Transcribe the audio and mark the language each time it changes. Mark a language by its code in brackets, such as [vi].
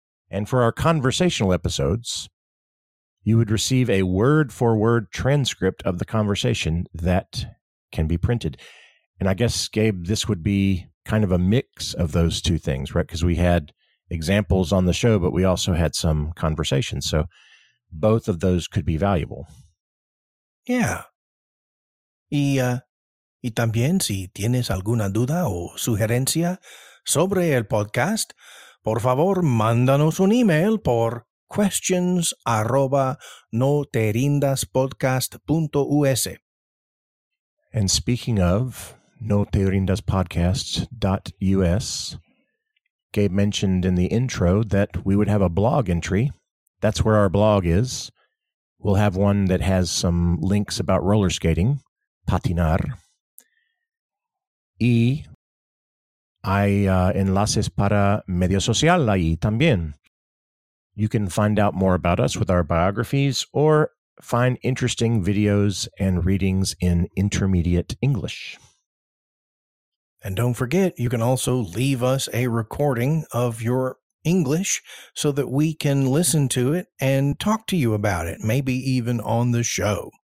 [en] And for our conversational episodes, you would receive a word-for-word transcript of the conversation that can be printed. And I guess, Gabe, this would be kind of a mix of those two things, right? Because we had examples on the show, but we also had some conversations. So both of those could be valuable. Yeah. [es] Y también, si tienes alguna duda o sugerencia sobre el podcast, por favor, mándanos un email por [en] questions@noterindaspodcast.us. And speaking of noterindaspodcast.us, Gabe mentioned in the intro that we would have a blog entry. That's where our blog is. We'll have one that has some links about roller skating, patinar. [es] Y hay enlaces para medio social ahí también. [en] You can find out more about us with our biographies or find interesting videos and readings in intermediate English. And don't forget, you can also leave us a recording of your English so that we can listen to it and talk to you about it, maybe even on the show.